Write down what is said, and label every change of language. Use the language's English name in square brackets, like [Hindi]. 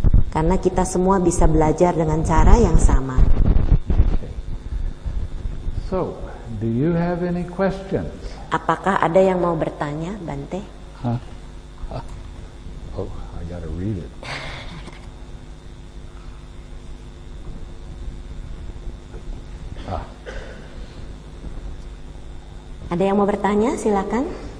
[Indonesian] Karena kita semua bisa belajar dengan cara yang sama. [English] Okay. So, do you have any questions? [Indonesian] Apakah ada yang mau bertanya, Bante? [English] I gotta read it. [Indonesian] Ada yang mau bertanya, silakan.